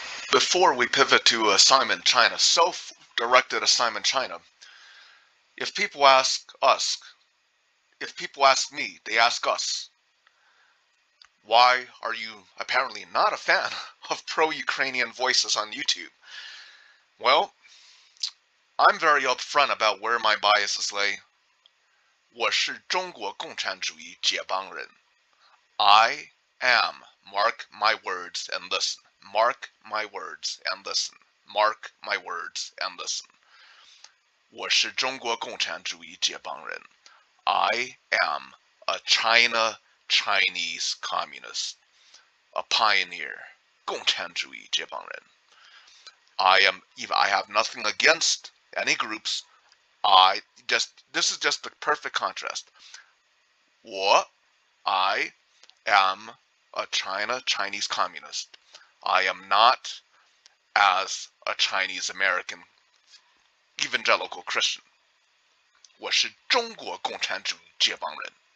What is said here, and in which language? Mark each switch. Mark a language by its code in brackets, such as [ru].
[en] Before we pivot to assignment China, self-directed assignment China, if people ask me, they ask us, why are you apparently not a fan of pro-Ukrainian voices on YouTube? Well, I'm very upfront about where my biases lay. [zh] 我是中国共产主义接班人. [en] I am, mark my words and listen. Mark my words and listen. Mark my words and listen. [zh] 我是中国共产主义接班人. [en] I am a Chinese communist, a pioneer, [zh] 共产主义接班人. [en] I have nothing against any groups. This is just the perfect contrast. I am a Chinese communist. I am not as a Chinese American evangelical Christian. [zh] 我是中国共产主义接班人。